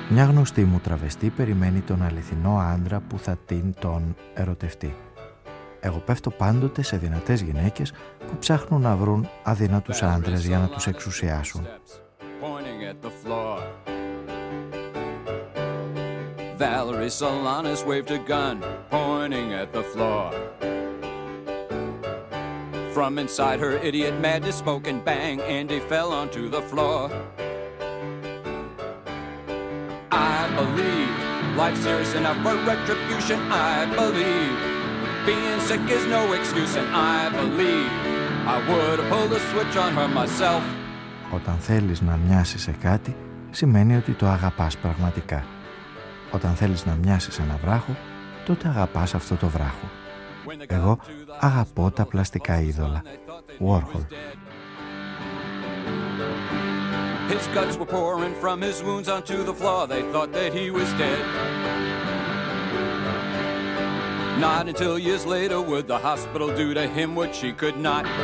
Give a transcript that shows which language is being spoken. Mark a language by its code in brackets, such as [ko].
[el] Μια γνωστή μου τραβεστή περιμένει τον αληθινό άντρα που θα την τον ερωτευτεί. Εγώ πέφτω πάντοτε σε δυνατές γυναίκες που ψάχνουν να βρουν αδύνατους άντρες για να τους εξουσιάσουν. [en] Pointing at the floor. Valerie Solanas waved a gun, pointing at the floor. From inside her idiot madness spoke and bang, Andy fell onto the floor. I believe life's serious enough for retribution. I believe being sick is no excuse. And I believe I would have pulled the switch on her myself. [el] Όταν θέλεις να μοιάσεις σε κάτι, σημαίνει ότι το αγαπάς πραγματικά. Όταν θέλεις να μοιάσεις ένα βράχο, τότε αγαπάς αυτό το βράχο. Εγώ αγαπώ τα πλαστικά είδωλα. [en] Warhol. His guts were pouring from his wounds onto the floor. They thought that he was dead. Not until years later would the hospital do to him what she could not.